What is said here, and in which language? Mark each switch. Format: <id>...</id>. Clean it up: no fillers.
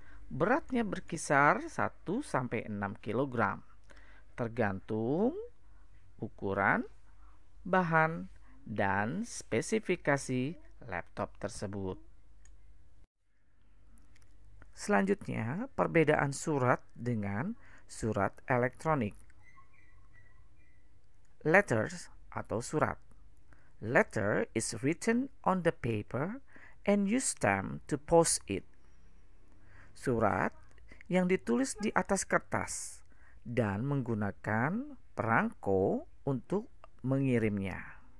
<id>Beratnya berkisar 1-6 kg tergantung ukuran, bahan, dan spesifikasi laptop tersebut. Selanjutnya, perbedaan surat dengan surat elektronik. Letters atau surat.</id> <en>Letter is written on the paper and use stamp to post it.</en> <id>Surat yang ditulis di atas kertas dan menggunakan perangko untuk mengirimnya.</id>